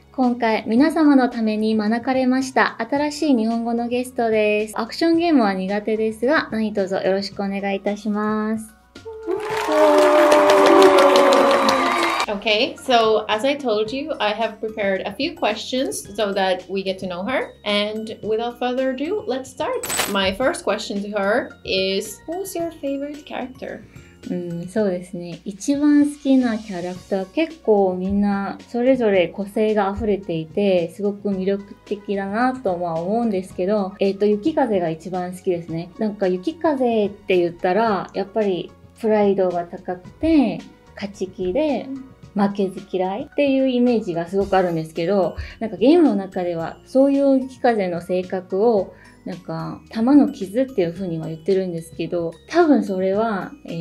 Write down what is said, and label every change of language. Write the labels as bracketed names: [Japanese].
[Japanese] 今回皆様のために招かれました新しい日本語のゲストです。アクションゲームは苦手ですが、何卒よろしくお願いいたします。 [English] Okay, so as I told you, I have prepared a few questions so that we get to know her. And without further ado, let's start. My first question to her is, who's your favorite character? [Japanese] そうですね。一番好きなキャラクター、結構みんなそれぞれ個性が溢れていて、すごく魅力的だなとまあ思うんですけど、雪風が一番好きですね。なんか雪風って言ったら、やっぱりプライドが高くて、勝ち気で、負けず嫌いっていうイメージがすごくあるんですけど、なんかゲームの中ではそういう雪風の性格をなんか玉の傷っていう風には言ってるんですけど、多分それは